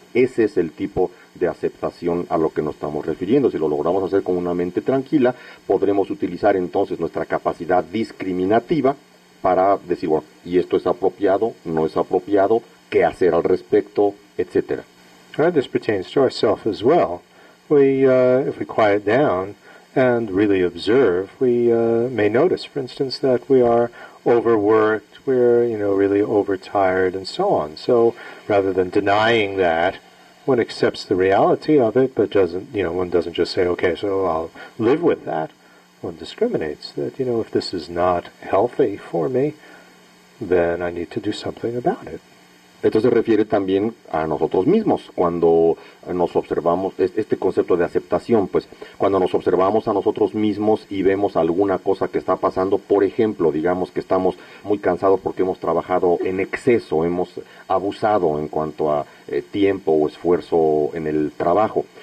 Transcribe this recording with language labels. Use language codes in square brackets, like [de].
[es] Ese es el tipo de aceptación a lo que nos estamos refiriendo. Si lo logramos hacer con una mente tranquila, podremos utilizar entonces nuestra capacidad discriminativa para decir, bueno, y esto es apropiado, no es apropiado, qué hacer al respecto, etc. [en] Right, this pertains to ourselves as well. We, if we quiet down and really observe, we may notice, for instance, that we are overworked, we're, you know, really overtired, and so on. So, rather than denying that, one accepts the reality of it, but doesn't, you know, one doesn't just say, okay, so I'll live with that. One discriminates that, you know, if this is not healthy for me, then I need to do something about it. [es] Esto se refiere también a nosotros mismos, cuando nos observamos, este concepto de aceptación, pues, cuando nos observamos a nosotros mismos y vemos alguna cosa que está pasando, por ejemplo, digamos que estamos muy cansados porque hemos trabajado en exceso, hemos abusado en cuanto a tiempo o esfuerzo en el trabajo.